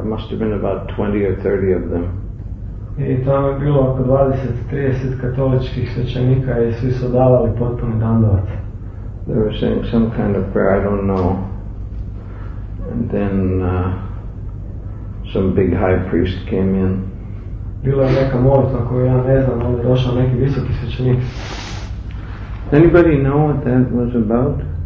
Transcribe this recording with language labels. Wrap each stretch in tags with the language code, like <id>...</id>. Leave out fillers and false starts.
<en>It must have been about 20 or 30 of them.</en> <hr>I tamo je bilo oko 20-30 katoličkih svećenika i svi su davali potpuni dandavat.</hr> <en>They were saying some kind of prayer, I don't know. And then some big high priest came in.</en> <hr>Bila je neka molitva koju ja ne znam, ali je došao neki visoki svećenik.</hr> <en>Does anybody know what that was about?</en>